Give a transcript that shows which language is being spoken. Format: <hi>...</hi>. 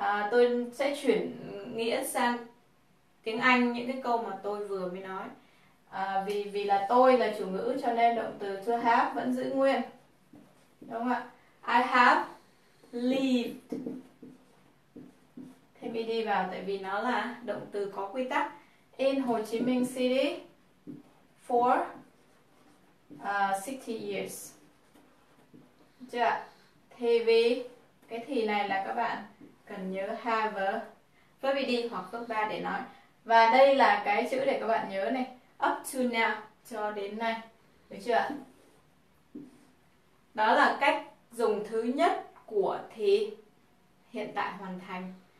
<vi>Tôi sẽ chuyển nghĩa sang tiếng Anh những cái câu mà tôi vừa mới nói. Vì vì là tôi là chủ ngữ cho nên động từ to have vẫn giữ nguyên, đúng không ạ?</vi> <en>I have lived,</en> <vi>thêm ed vào tại vì nó là động từ có quy tắc.</vi> <en>In Hồ Chí Minh City for 60 years.</en> <vi>Chưa ạ? Thì vì cái thì này là các bạn cần nhớ</vi> <en>have verb ed</en> <vi>hoặc verb 3 để nói. Và đây là cái chữ để các bạn nhớ này,</vi> <en>up to now,</en> <vi>cho đến nay. Được chưa ạ? Đó là cách dùng thứ nhất của thì hiện tại hoàn thành.</vi>